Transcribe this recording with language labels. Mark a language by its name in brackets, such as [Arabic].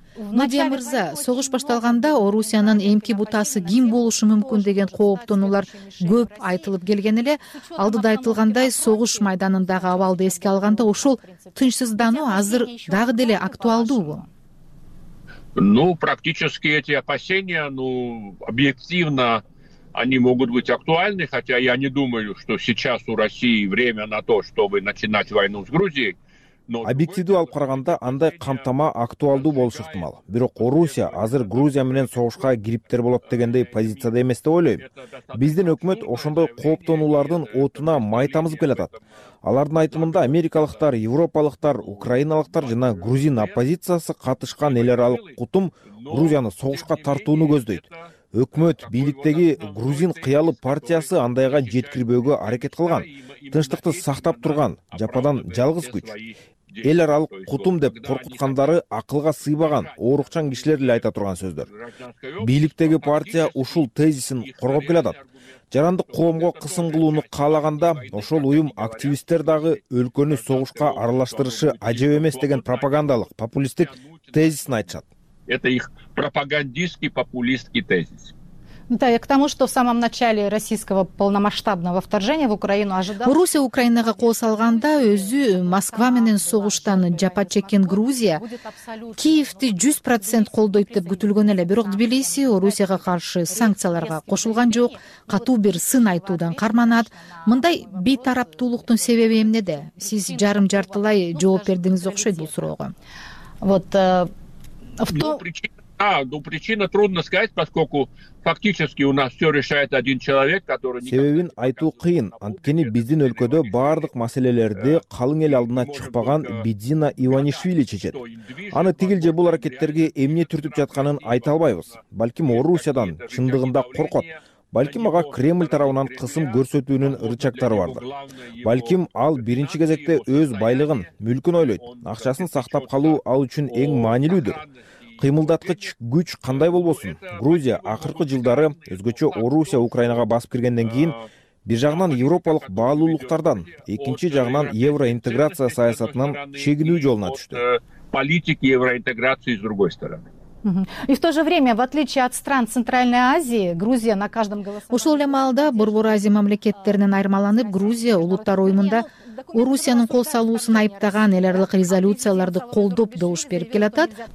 [Kyrgyz] Надия мырза, согуш башталганда Орусиянын эмки бутасы ким болушу мүмкүн деген кооптонуулар көп айтылып келген эле. Алдыда айтылгандай, согуш майданындагы абалды эске алганда ушул тынчсыздануу азыр дагы деле актуалдуубу? [Russian] Ну, практически эти опасения, ну, объективно они могут быть актуальны, хотя я не думаю, что сейчас у России время на то, чтобы начинать войну с Грузией. [Kyrgyz] Объективдүү алып караганда андай камтама актуалдуу болушу ыктымал. Бирок Орусия азыр Грузия менен согушка кириптер болот дегендей позицияда эмес деп ойлойм. Биздин өкмөт ошондой кооптонуулардын отуна май тамызып келатат. Алардын айтымында америкалыктар, европалыктар, украиналыктар жана грузин оппозициясы катышкан эл аралык кутум Грузияны согушка тартууну көздөйт. Өкмөт бийликтеги грузин кыялы партиясы андайга жеткирбөөгө аракет кылган, тынчтыкты сактап турган жападан жалгыз күч. Эл аралык кутум деп коркуткандары акылга сыйбаган, оорукчан кишилер эле айта турган сөздөр. Бийликтеги партия ушул тезисин коргоп келатат. Жарандык коомго кысым кылууну каалаганда ошол уюм активисттер дагы өлкөнү согушка аралаштырышы ажеп эмес деген пропагандалык, популисттик тезисин айтышат. [Russian] Это их пропагандистский, популистский тезис. Да, я к тому, что в самом начале российского полномасштабного вторжения в Украину ожидалось... [Kyrgyz] Русия Украинага кол салганда өзү Москва менен согуштан жапа чеккен Грузия Киевти 100% колдойт деп күтүлгөн эле. Бирок Тбилиси Русияга каршы санкцияларга кошулган жок, катуу бир сын айтуудан карманат. Мындай бейтараптуулуктун себеби эмнеде? Сиз жарым-жартылай жооп бердиңиз окшойт бул суроого. [Russian] Вот... Причина трудно сказать, поскольку фактически у нас все решает один человек, который... [Kyrgyz] Себебин айтуу кыйын, анткени биздин өлкөдө бардык маселелерди калың эл алдына чыкпаган Бидзина Иванишвили чечет. Аны тигил же бул аракеттерге эмне түртүп жатканын айта албайбыз. Балким Орусиядан чындыгында коркот. Балким ага Кремль тарабынан кысым көрсөтүүнүн рычагтары бардыр. Балким ал биринчи кезекте өз байлыгын, мүлкүн ойлойт. Акчасын сактап калуу ал үчүн эң маанилүүдүр. кыймылдаткыч күч кандай болбосун, Грузия акыркы жылдары өзгөчө Орусия Украинага басып киргенден кийин бир жагынан европалык баалуулуктардан, экинчи жагынан евроинтеграция саясатынан чегинүү жолуна түштү. [Russian] Политики евроинтеграции с другой стороны. И в то же время, в отличие от стран Центральной Азии, Грузия на каждом голосовании... [Kyrgyz] Ушул эле маалда Борбор Азия мамлекеттеринен айырмаланып, Грузия улуттар уюмунда Орусиянын кол салуусун айыптаган эл аралык резолюцияларды колдоп добуш берип келатат.